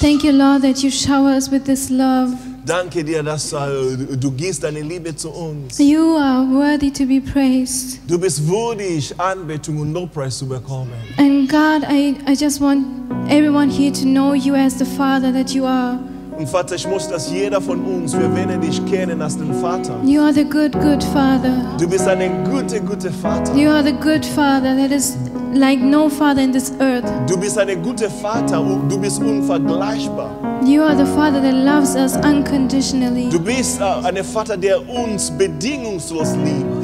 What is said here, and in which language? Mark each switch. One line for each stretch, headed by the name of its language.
English: Thank you, Lord, that you shower us with this love.
German: Danke dir, dass du gibst deine Liebe zu uns.
English: You are worthy to be praised.
German: Du bist würdig, Anbetung und Lobpreis zu bekommen.
English: And God, I just want everyone here to know you as the Father that you are.
German: Und Vater, ich muss, dass jeder von uns, wir werden dich kennen als den Vater.
English: You are the good, good Father.
German: Du bist ein guter, guter Vater.
English: You are the good Father that is like no father in this earth.
German: Du bist eine gute Vater, du bist unvergleichbar.
English: You are the Father that loves us unconditionally.
German: Du bist eine Vater, der uns bedingungslos liebt.